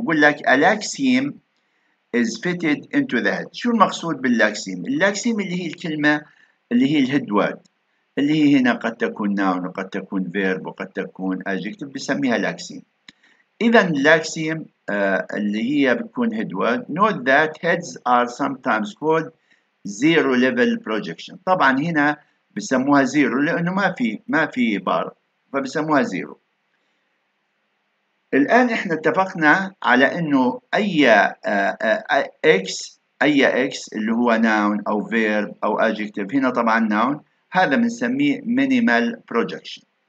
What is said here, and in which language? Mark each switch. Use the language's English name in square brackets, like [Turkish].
[Arabic] بقول لك الأكسيم [English] is fitted into the head. [Arabic] شو المقصود باللاكسيم؟ اللاكسيم اللي هي الكلمة اللي هي الهيد وورد اللي هي هنا قد تكون noun وقد تكون verb وقد تكون adjective، بسميها لاكسيم. إذا لاكسيم اللي هي بتكون هيد وورد. [English] Note that heads are sometimes called zero level projection. [Arabic] طبعا هنا بسموها zero لأنه ما في بار، فبسموها zero. الآن إحنا اتفقنا على إنه أي X اللي هو noun أو verb أو adjective، هنا طبعاً noun، هذا بنسميه minimal projection.